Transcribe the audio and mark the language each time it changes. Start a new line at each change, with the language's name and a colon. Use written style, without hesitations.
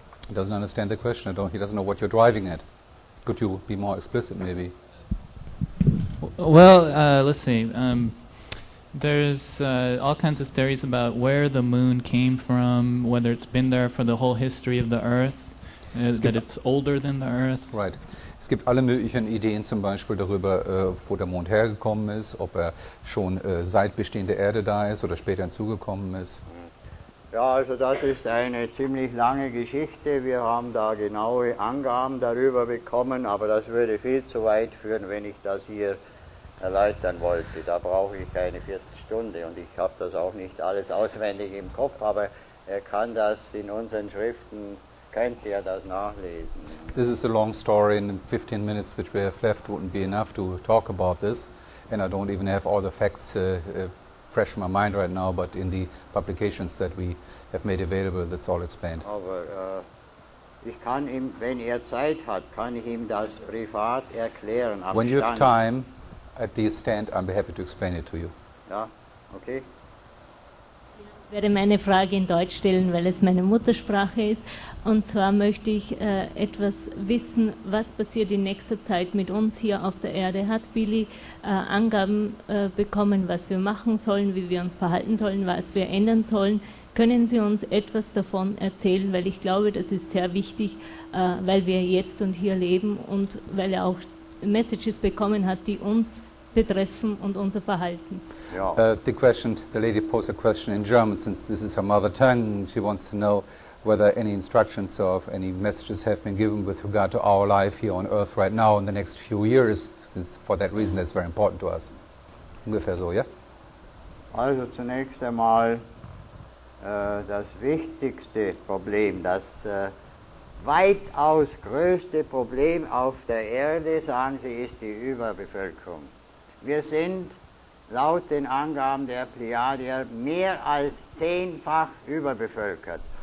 English: He doesn't understand the question. He doesn't know what you're driving at. Could you be more explicit, maybe? Well, let's see. There's all kinds of theories about where the moon came from, whether it's been there for the whole history of the Earth, that it's older than the Earth. Right.
German: Es gibt alle möglichen Ideen, zum Beispiel darüber, wo der Mond hergekommen ist, ob er schon seit Bestehen der Erde da ist oder später hinzugekommen ist. Ja, also das ist eine ziemlich lange Geschichte. Wir haben da genaue Angaben darüber bekommen, aber das würde viel zu weit führen, wenn ich das hier erläutern wollte. Da brauche ich keine Viertelstunde und ich habe das auch nicht alles auswendig im Kopf, aber er kann das in unseren Schriften, könnt ihr das nachlesen.
English: This is a long story and 15 minutes which we have left wouldn't be enough to talk about this and I don't even have all the facts fresh in my mind right now, but in the publications that we have made available, that's all explained.
German: Aber ich kann ihm, wenn Zeit hat, kann ich ihm das privat erklären.
English: When you have time, at the stand, I'll be happy to explain it to you.
German: Ja, okay. Ich werde meine Frage in Deutsch stellen, weil es meine Muttersprache ist. Und zwar möchte ich etwas wissen, was passiert in nächster Zeit mit uns hier auf der Erde. Hat Billy Angaben bekommen, was wir machen sollen, wie wir uns verhalten sollen, was wir ändern sollen? Können Sie uns etwas davon erzählen? Weil ich glaube, das ist sehr wichtig, weil wir jetzt und hier leben und weil er auch Messages bekommen hat, die uns betreffen und unser Verhalten.
English: The lady posed a question in German, since this is her mother tongue. She wants to know whether any instructions or any messages have been given with regard to our life here on Earth right now in the next few years, since for that reason that's very important to us.
German: Ungefähr so, ja? Also zunächst einmal das wichtigste Problem, das weitaus größte Problem auf der Erde, sagen Sie, ist die Überbevölkerung. Wir sind laut den Angaben der Plejadier mehr als 10-fach überbevölkert.